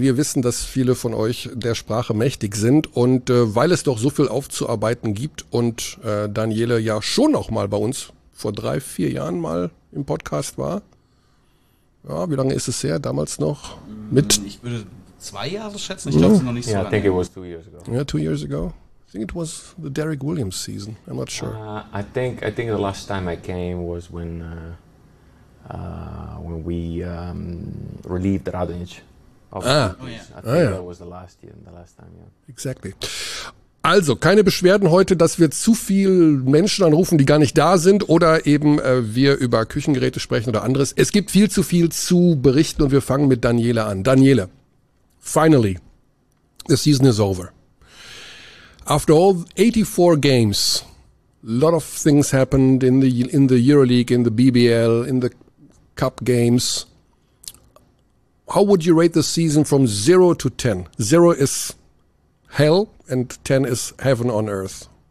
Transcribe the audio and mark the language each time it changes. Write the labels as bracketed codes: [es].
[de] Wir wissen, dass viele von euch der Sprache mächtig sind und weil es doch so viel aufzuarbeiten gibt und Daniele ja schon noch mal bei uns vor 3-4 Jahren mal im Podcast war. Ja, wie lange ist es her, damals noch? Mit ich würde 2 Jahre schätzen, ich glaube es noch nicht so lange. [en] Yeah, I think it was 2 years ago. Yeah, 2 years ago. I think it was the Derrick Williams season. I'm not sure. I think the last time I came was when we relieved Radonjić. I think that was the last year, the last time, yeah. Exactly. [de] Also, keine Beschwerden heute, dass wir zu viel Menschen anrufen, die gar nicht da sind oder eben wir über Küchengeräte sprechen oder anderes. Es gibt viel zu viel zu berichten und wir fangen mit Daniele an. [en] Daniele, finally, the season is over. After all 84 games, a lot of things happened in the EuroLeague, in the BBL, in the Cup games. How would you rate the season from 0 to 10? 0 is hell and 10 is heaven on earth.